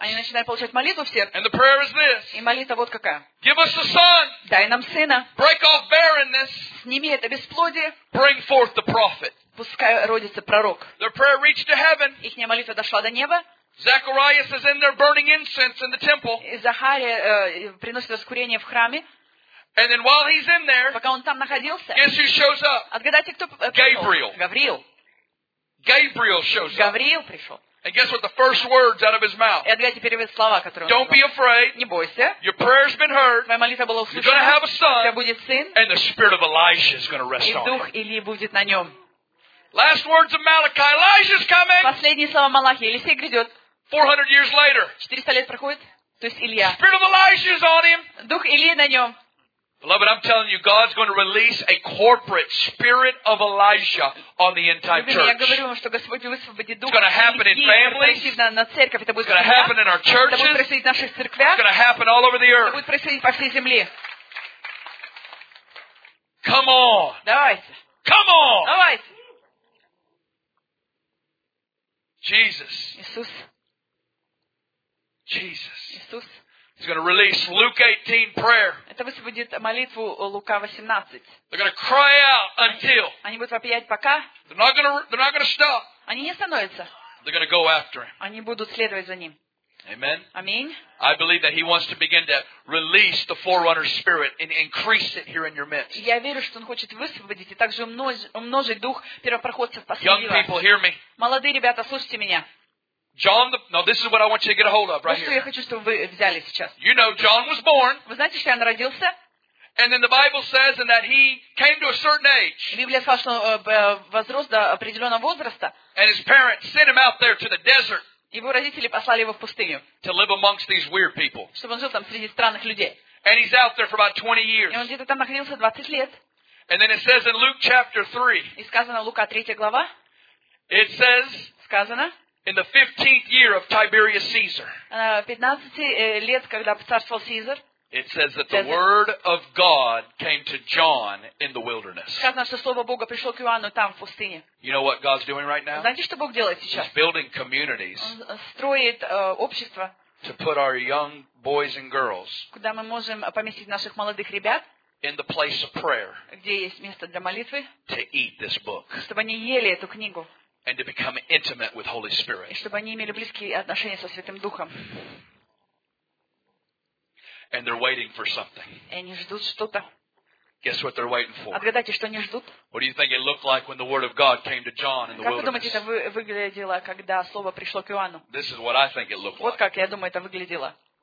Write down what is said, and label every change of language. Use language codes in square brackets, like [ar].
[ru] Они начинают получать молитву в сердце. [en] And the prayer is this. [ru] И молитва вот какая. [en] Give us a son. [ru] Дай нам сына. [en] Break off barrenness. [ru] Сними это бесплодие. [en] Bring forth the prophet. [ru] Пускай родится пророк. [en] Their prayer reached to heaven. [ru] Их молитва дошла до неба. [en] Zacharias is in there burning incense in the temple. [ru] И Захария приносит воскурение в храме. [en] And then while he's in there, [ru] пока он там находился, [en] guess who shows up? [ru] Отгадайте, кто пришел? [en] Gabriel. [ru] Гавриил. [en] Gabriel shows up. [ru] Гавриил пришел. [en] And guess what the first words out of his mouth? [ru] И отгадайте первые слова, которые он сказал. [en] Don't be afraid. [ru] Не бойся. [en] Your prayer's been heard. [ru] Твоя молитва была услышана. [en] You're going to have a son. [ru] У тебя будет сын. [en] And the spirit of Elijah is going to rest on him. [ru] И дух Ильи будет на нем. [en] Last words of Malachi. Elijah's coming. [ru] Последние слова Малахии. Елисей грядет. [en] 400 years later. [ru] 400 лет проходит. То есть Илья. [en] Spirit of Elijah is on him. [ru] Дух Ильи на нем. [en] Beloved, I'm telling you, God's going to release a corporate spirit of Elijah on the end time church. [ru] Я говорю вам, что Господь высвободит дух. [en] It's going to happen in families. [ru] На церковь это будет. [en] It's going to happen in our churches. [ru] Это будет происходить в наших церквях. [en] It's going to happen all over the earth. [ru] Это будет происходить по всей земле. [en] Come on. [ru] Давайте. [en] Come on. [ru] Давайте. [en] Jesus. [ru] Иисус. [en] Jesus. [ru] Иисус. [en] He's going to release Luke 18 prayer. [ru] Это высвободит молитву Лука 18. [en] They're going to cry out until. [ru] Они будут вопиять пока. [en] They're not going to stop. [ru] Они не остановятся. [en] They're going to go after him. [ru] Они будут следовать за ним. [en] Amen. [ru] Аминь. [en] I believe that he wants to begin to release the forerunner spirit and increase it here in your midst. [ru] Я верю, что он хочет высвободить и также умножить дух первопроходцев посреди вас. [en] Young people, hear me. [ru] Молодые ребята, слушайте меня. [en] John, this is what I want you to get a hold of right here. [ru] Я хочу, чтобы вы взяли сейчас. [en] You know, John was born. [ru] Вы знаете, что он родился? [en] And then the Bible says that he came to a certain age. [ru] Библия сказала, что возрос до определенного возраста. [en] And his parents sent him out there to the desert. [ru] Его родители послали его в пустыню. [en] To live amongst these weird people. [ru] Чтобы он жил там среди странных людей. [en] And he's out there for about 20 years. [ru] И он где-то там находился 20 лет. [en] And then it says in Luke chapter 3. [ru] И сказано в Лука 3 глава. [en] It says. [ru] Сказано. [en] In the 15th year of Tiberius Caesar. [ru] 15 лет, когда царствовал Caesar. [en] It says that the word of God came to John in the wilderness. [ru] Сказано, что слово Бога пришло к Иоанну там в пустыне. [en] You know what God's doing right now? [ru] Знаете, что Бог делает сейчас? [en] He's building communities. [ru] Он строит общество. [en] To put our young boys and girls. [ru] Куда мы можем поместить наших молодых ребят? [en] In the place of prayer. [ru] Где есть место для молитвы? [en] To eat this book. [ru] Чтобы они ели эту книгу. [en] And to become intimate with Holy Spirit. [ru] И чтобы они имели близкие отношения со Святым Духом. [en] And they're waiting for something. [ru] И они ждут что-то. [en] Guess what they're waiting for? [ru] Отгадайте, что они ждут? [en] What do you think it looked like when the word of God came to John in the wilderness? [ru] Как вы думаете, это выглядело, когда слово пришло к Иоанну? [en] This is what I think it looked like. [ru] Вот как я думаю, это выглядело.